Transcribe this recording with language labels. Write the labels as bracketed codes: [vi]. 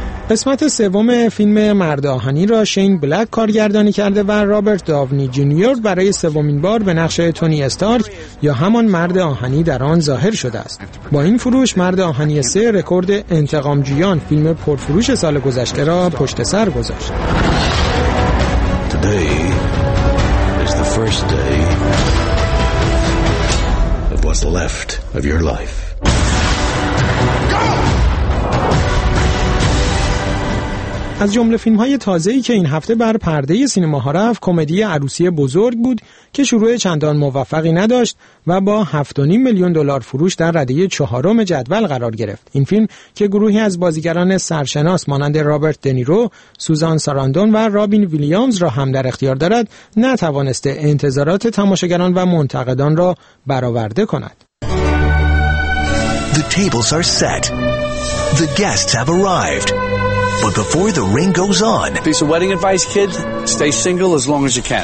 [fa] قسمت سوم فیلم مرد آهنی را شین بلک کارگردانی کرده و رابرت داونی جونیور برای سومین بار به نقش تونی استارک یا همان مرد آهنی در آن ظاهر شده است. با این فروش مرد آهنی 3 رکورد انتقامجویان فیلم پرفروش سال گذشته را پشت سر گذاشت. [en] Today is the first day of what's left of your life. [fa] از جمله فیلم‌های تازه‌ای که این هفته بر پرده سینماها رفت، کمدی عروسی بزرگ بود که شروع چندان موفقی نداشت و با 7.5 میلیون دلار فروش در رده 4 جدول قرار گرفت. این فیلم که گروهی از بازیگران سرشناس مانند رابرت دنیرو، سوزان ساراندون و رابین ویلیامز را هم در اختیار دارد، نتوانسته انتظارات تماشاگران و منتقدان را برآورده کند. [en] The tables are set. The guests have arrived. But before the ring goes on, piece of wedding advice, kid, stay single as long as you can.